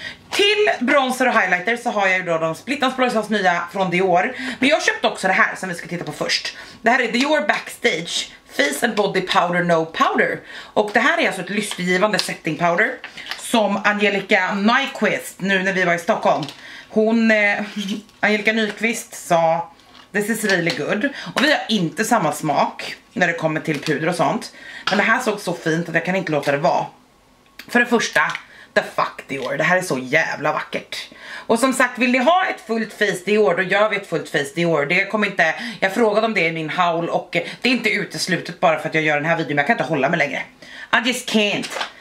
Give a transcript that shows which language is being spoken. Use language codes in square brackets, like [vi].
[sv] Till bronzer och highlighter så har jag ju då de Split & Spray nya från Dior. Men jag köpte också det här som vi ska titta på först. Det här är Dior Backstage Face & Body Powder No Powder. Och det här är alltså ett lystergivande setting powder. Som Angelica Nyquist, nu när vi var i Stockholm. Hon, Angelica Nyquist, sa [en] this is really good. [sv] Och vi har inte samma smak när det kommer till puder och sånt. Men det här såg så fint att jag kan inte låta det vara. För det första, [en] the fuck Dior. [sv] Det här är så jävla vackert. Och som sagt, vill ni ha ett fullt face Dior, då gör vi ett fullt face Dior. Det kommer inte, jag frågade om det i min haul och det är inte uteslutet bara för att jag gör den här videon. Men jag kan inte hålla mig längre. [en] I just can't.